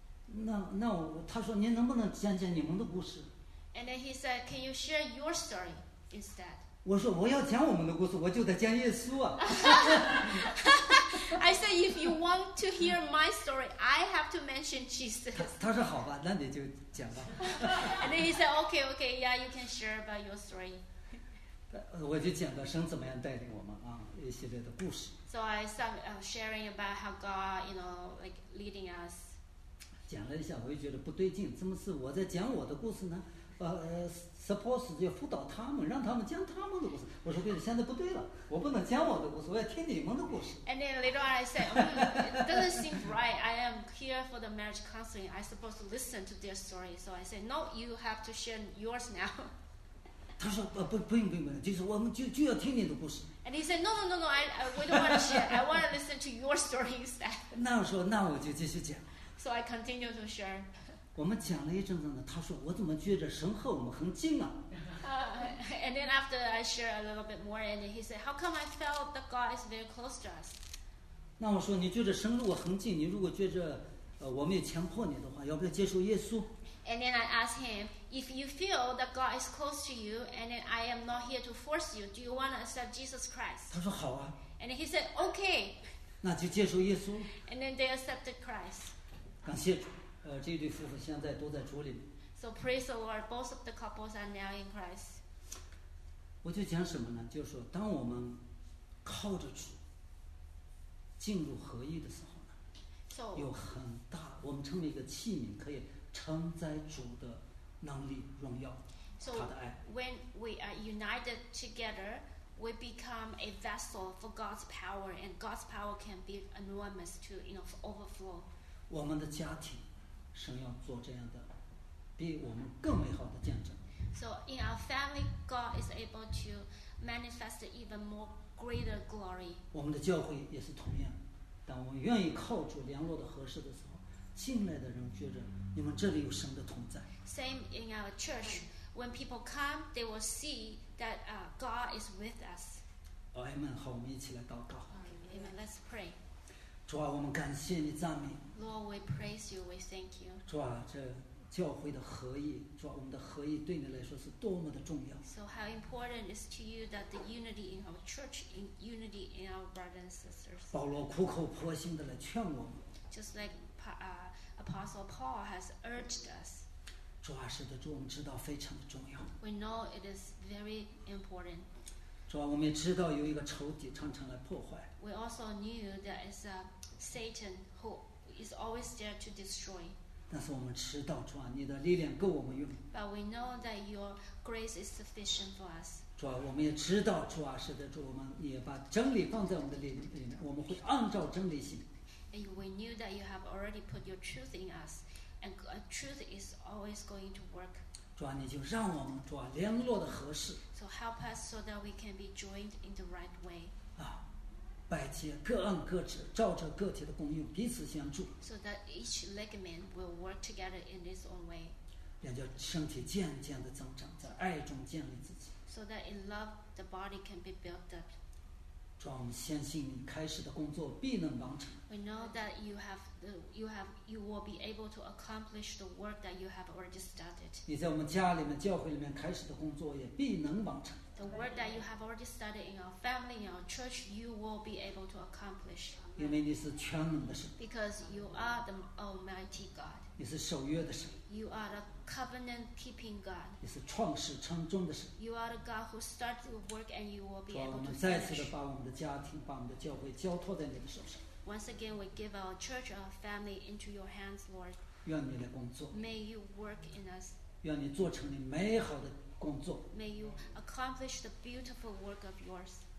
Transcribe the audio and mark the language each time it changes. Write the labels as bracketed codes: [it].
[zh] 那我他说，您能不能讲讲你们的故事？ [en] And then he said, "Can you share your story instead?" [zh] 我说我要讲我们的故事，我就得讲耶稣啊。 [en] I said, "If you want to hear my story, I have to mention Jesus." [zh] 他说好吧，那你就讲吧。 [en] And then he said, "Okay, okay, yeah, you can share about your story." [zh] 我就讲到神怎么样带领我们啊，一系列的故事。 [en] So I started sharing about how God, you know, like leading us. [zh] 讲了一下，我就觉得不对劲，怎么是我在讲我的故事呢？ [en] suppose [zh] 就辅导他们，让他们讲他们的故事。我说对了，现在不对了，我不能讲我的故事，我要听你们的故事。 [en] And then later on I said, it doesn't seem right. I am here for the marriage counseling. I supposed to listen to their story. So I said, no, you have to share yours now. [zh] 他说不用，就是我们就要听你的故事。 [en] And he said, no, we don't want to share. I want to listen to your story instead. [zh] 那我就继续讲。 [en] So I continue to share. [zh] 我们讲了一阵子呢，他说我怎么觉得神和我们很近啊。 [en] And then after I share a little bit more, and he said, how come I felt that God is very close to us? [zh] 那我说你觉得神如果很近，你如果觉得我们也强迫你的话，要不要接受耶稣？ [en] And then I asked him, if you feel that God is close to you, and then I am not here to force you, do you want to accept Jesus Christ? [zh] 他说好啊。 [en] And he said, okay. [zh] 那就接受耶稣。 [en] And then they accepted Christ. [zh] 感谢主。这对夫妇现在都在主里面。 [en] So praise the Lord, both of the couples are now in Christ. [zh] 我就讲什么呢？就是说，当我们靠着主进入合一的时候呢， [en] so, [zh] 有很大，我们称为一个器皿，可以承载主的能力、荣耀、 [en] so, [zh] 他的爱。 [en] When we are united together, we become a vessel for God's power, and God's power can be enormous to, you know, overflow. [zh] 我们的家庭。神要做这样的比我们更美好的见证。 [en] So in our family God is able to manifest even more greater glory. [zh] 我们的教会也是同样，当我们愿意靠主联络的合适的时候，进来的人觉得你们这里有神的同在。 [en] Same in our church, when people come, they will see that God is with us. [zh] Amen. 好，我们一起来祷告。 [en] Amen. Let's pray. [zh] 主啊，我们感谢你，赞美。 [en] Lord, we praise you. We thank you. [zh] 主啊，这教会的合一，主啊，我们的合一对你来说是多么的重要。 [en] So how important is to you that the unity in our church, in unity in our brothers and sisters? [zh] 保罗苦口婆心的来劝我们。 [en] Just like Apostle Paul has urged us. [zh] 主啊，使得主我们知道非常的重要。 [en] We know it is very important. [zh] 主啊，我们也知道有一个仇敌常常来破坏。 [en] We also knew there is a Satan who is always there to destroy. [zh] 但是我们知道，主啊，你的力量够我们用。 [en] But we know that your grace is sufficient for us. [zh] 主啊，我们也知道，主啊，使得主我们也把真理放在我们的里面，我们会按照真理行。 [en] And we knew that you have already put your truth in us, and truth is always going to work. [zh] 主啊，你就让我们主啊联络的合适。 [en] So help us so that we can be joined in the right way. [zh] 啊，百节各按各职，照着个体的功用彼此相助。 [en] So that each ligament will work together in its own way. [zh] 便叫身体渐渐的增长，在爱中建立自己。 [en] So that in love the body can be built up. [zh] 主啊，我们相信你开始的工作必能完成。 [en] We know that you will be able to accomplish the work that you have already started. [zh] 你在我们家里面、教会里面开始的工作也必能完成。 [en] The work that you have already started in our family, in our church, you will be able to accomplish. [zh] 因为你是全能的神。 [en] Because you are the Almighty God. [zh] 你是守约的神。 [en] You are the covenant-keeping God. [zh] 你是创始成终的神。 [en] You are the God who starts the work and you will be able to finish. [zh] 我们再次的把我们的家庭、把我们的教会交托在你的手上。 [en] Once again, we give our church, our family into your hands, Lord. [zh] 愿你来工作。 [en] May you work in us. [zh] 愿你做成你美好的工作。 [en] May you accomplish the beautiful work of yours.